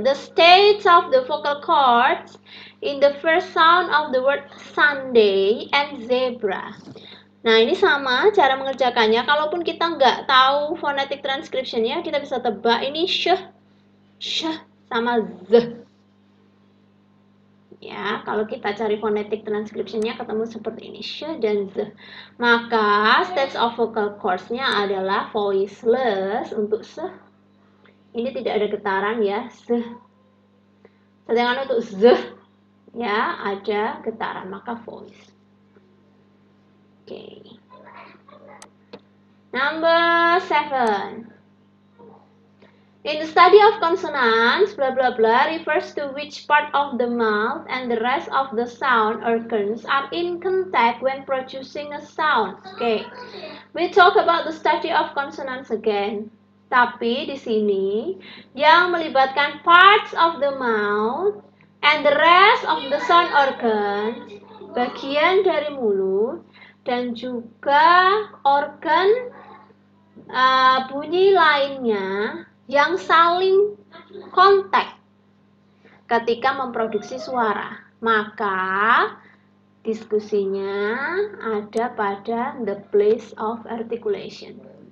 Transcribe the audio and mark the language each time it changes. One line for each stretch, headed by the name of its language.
English: The states of the vocal cords in the first sound of the word Sunday and zebra.
Indonesian: Nah, ini sama cara mengerjakannya. Kalaupun kita nggak tahu phonetic transcription-nya, kita bisa tebak ini sh, sh sama z. kalau kita cari phonetic transcriptionnya ketemu seperti ini, sh dan z. Maka steps of vocal cords- nya adalah voiceless untuk s. Ini tidak ada getaran ya, s. Sedangkan untuk z ya ada getaran, maka voice. Oke.
English: Number 7. In the study of consonants, blah blah blah refers to which part of the mouth and the rest of the sound organs are in contact when producing a sound. Okay. We talk about the study of consonants again.
Indonesian: Tapi di sini yang melibatkan parts of the mouth and the rest of the sound organs, bagian dari mulut dan juga organ bunyi lainnya yang saling kontak ketika memproduksi suara, maka diskusinya ada pada the place of articulation.